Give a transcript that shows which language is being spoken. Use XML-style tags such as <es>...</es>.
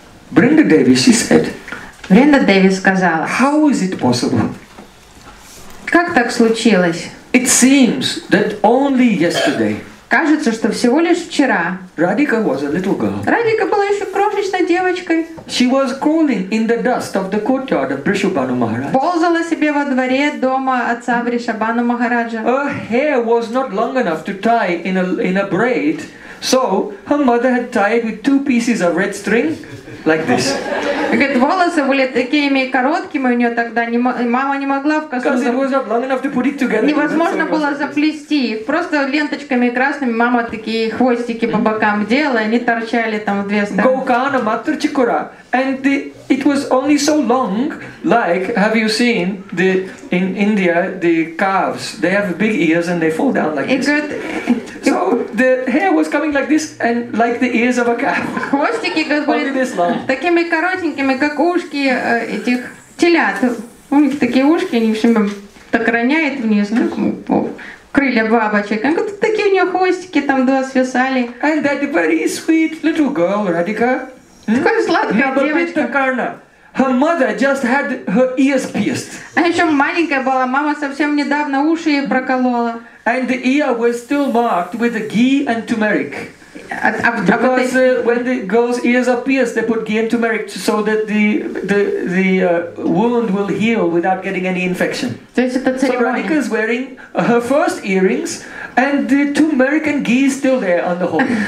<en>Бринда Деви, she said.</en> <ru>Бринда Деви сказала.</ru> <en>How is it possible?</en> <ru>Как так случилось?</ru> <en>It seems that only yesterday.</en> <ru>Кажется, что всего лишь вчера.</ru> <en>Radhika was a little girl.</en> <ru>Radhika была еще крошечной девочкой.</ru> <en>She was crawling in the dust of the courtyard of Vrishabhanu Maharaj.</en> <ru>Ползала себе во дворе дома отца Вришабану Махараджа.</ru> <en>Her hair was not long enough to tie in a braid, so her mother had tied with two pieces of red string. Like this.</en> <ru>Говорит, волосы были такими короткими у нее тогда, мама не могла в косу. Невозможно было заплести их. Просто ленточками красными мама такие хвостики по бокам делала, они торчали там в две стороны. Гоукана матрчикура.</ru> <en>And it was only so long, like, have you seen the in India the calves? They have big ears and they fall down like this. So the hair was coming like this and like the ears of a calf.</en> <ru>Хвостики были такими коротенькими, как ушки этих телят. У них такие ушки, они все так роняют вниз, как крылья бабочек. Такие у нее хвостики там два свисали.</ru> <en>And that very sweet little girl, Radhika.</en> <ru>Такая сладкая девочка.</ru> <en>Her mother just had her ears pierced.</en> <ru>А еще маленькая была, мама совсем недавно уши ей проколола.</ru> <en>And the ear was still marked with a ghee and turmeric. Because when the girl's ears are pierced, they put ghee and turmeric so that the wound will heal without getting any infection. So Radhika is wearing her first earrings, and the turmeric and ghee is still there on the hole.</en>